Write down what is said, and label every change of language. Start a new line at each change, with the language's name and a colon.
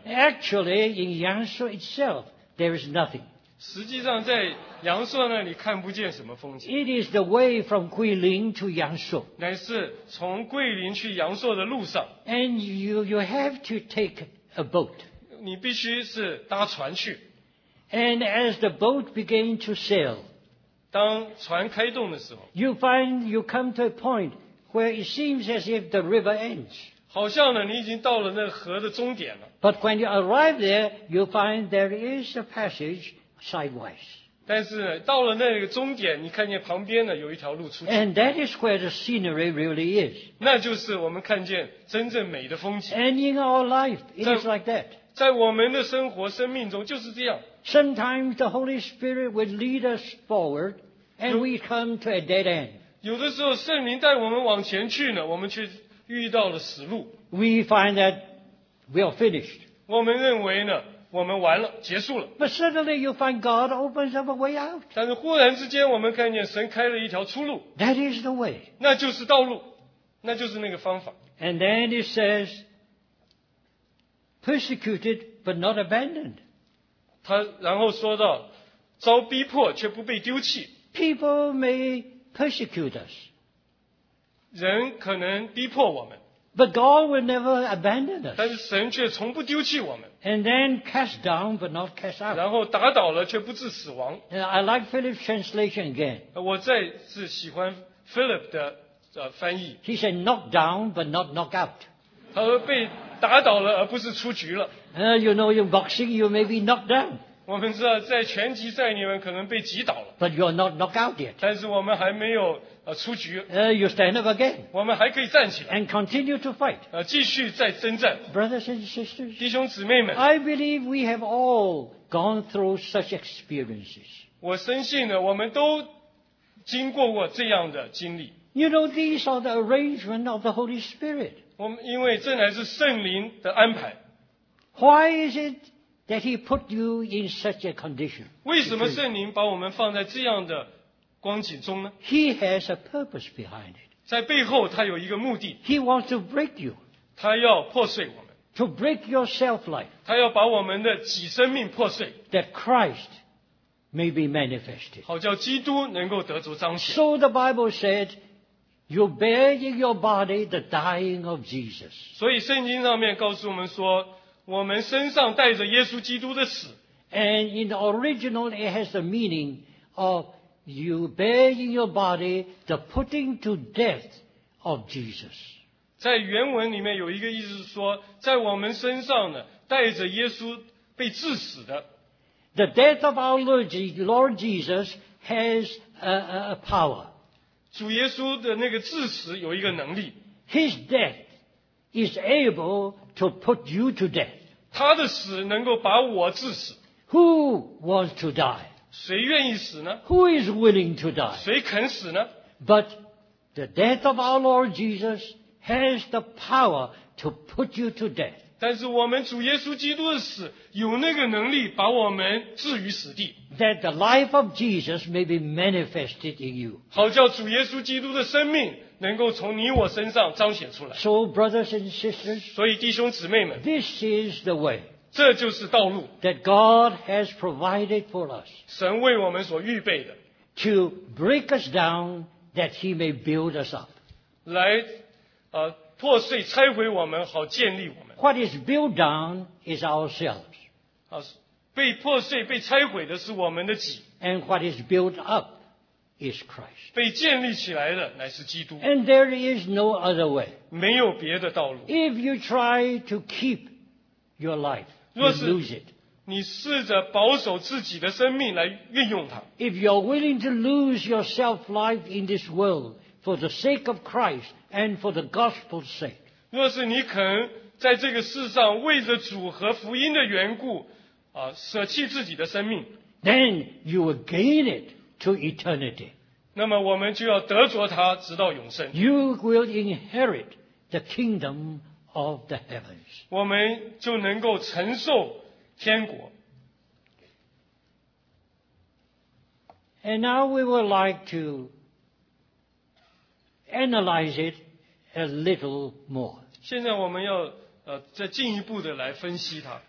English: Actually, in Yangshuo itself, there is nothing.
Chinese: 实际上，在阳朔那里看不见什么风景。
English: It is the way from Guilin to Yangshuo.
Chinese: 乃是从桂林去阳朔的路上。
English: And you have to take a boat.
Chinese: 你必须是搭船去。
English: And as the boat began to sail.
Chinese: 当船开动的时候
English: ，You find you come to a point where it seems as if the river ends.
Chinese: 好像呢，你已经到了那个河的终点了。
English: But when you arrive there, you find there is a passage sideways.
Chinese: 但是到了那个终点，你看见旁边呢有一条路出去。
English: And that is where the scenery really is.
Chinese: 那就是我们看见真正美的风景。
English: And in our life, it is like that.
Chinese: 在我们的生活、生命中就是这样。
English: Sometimes the Holy Spirit will lead us forward, and we come to a dead end.
Chinese: 有的时候圣灵带我们往前去呢，我们却遇到了死路。
English: We find that we are finished.
Chinese: 我们认为呢，我们完了，结束了。
English: But suddenly you find God opens up a way out.
Chinese: 但是忽然之间，我们看见神开了一条出路。
English: That is the way.
Chinese: 那就是道路，那就是那个方法。
English: And then it says, persecuted but not abandoned.
Chinese: 他然后说到遭逼迫却不被丢弃。
English: People may persecute us.
Chinese: 人可能逼迫我们。
English: But God will never abandon us.
Chinese: 但是神却从不丢弃我们。
English: And then cast down but not cast out.
Chinese: 然后打倒了却不致死亡。
English: I like Philip's translation again.
Chinese: 我再次喜欢 Philip 的翻译。
English: He said knock down but not knock out.
Chinese: 他说被打倒了而不是出局了。
English: You know, in boxing, you may be knocked down.
Chinese: 我们知道，在拳击赛里面可能被击倒了。
English: But you are not knocked out yet.
Chinese: 但是我们还没有出局。
English: You stand up again.
Chinese: 我们还可以站起来。
English: And continue to fight.
Chinese: 继续再征战。
English: Brothers and sisters,
Chinese: 弟兄姊妹们
English: ，I believe we have all gone through such experiences.
Chinese: 我深信呢，我们都经过过这样的经历。
English: You know, these are the arrangement of the Holy Spirit.
Chinese: 我们因为这乃是圣灵的安排。
English: Why is it that he put you in such a condition?
Chinese: 为什么圣灵把我们放在这样的光景中呢？
English: He has a purpose behind it.
Chinese: 在背后他有一个目的。
English: He wants to break you.
Chinese: 他要破碎我们。
English: To break your self-life.
Chinese: 他要把我们的己生命破碎。
English: That Christ may be manifested.
Chinese: 好叫基督能够得着彰显。
English: So the Bible said,You bear in your body the dying of Jesus.
Chinese: 所以圣经上面告诉我们说我们身上带着耶稣基督的死。
English: And in the original, it has the meaning of you bear in your body the putting to death of Jesus.
Chinese: 在原文里面有一个意思是说，在我们身上呢，带着耶稣被致死的。
English: The death of our Lord Jesus has a power.
Chinese: 主耶稣的那个致死有一个能力。
English: His death is able. To put you to death.
Chinese: 他的死能够把我致死。
English: Who wants to die?
Chinese: 谁愿意死呢？
English: Who is willing to die?
Chinese: 谁肯死呢？
English: But the death of our Lord Jesus has the power to put you to death.
Chinese: 但是我们主耶稣基督的死有那个能力把我们置于死地。
English: That the life of Jesus may be manifested in you.
Chinese: 好叫主耶稣基督的生命能够从你我身上彰显出来。
English: So brothers and sisters,
Chinese: 所以弟兄姊妹们
English: This is the way.
Chinese: 这就是道路。
English: That God has provided for us.
Chinese: 神为我们所预备的。
English: To break us down that he may build us up.
Chinese: 来破碎拆毁我们好建立我们。
English: What is built down is ourselves.
Chinese: 被破碎被拆毁的是我们的己。
English: And what is built up is Christ.
Chinese: 被建立起来的乃是基督。
English: And there is no other way.
Chinese: 没有别的道路。
English: If you try to keep your life, you lose it.
Chinese: 你试着保守自己的生命来运用它。
English: If you're willing to lose your self-life in this world for the sake of Christ and for the gospel's sake.
Chinese: 若是你肯在这个世上为着主和福音的缘故舍弃自己的生命。
English: Then you will gain it to eternity.
Chinese: 那么我们就要得着它直到永生。
English: You will inherit the kingdom of the heavens.
Chinese: 我们就能够承受天国。
English: And now we would like to analyze it a little more.
Chinese: 现在我们要再进一步的来分析它。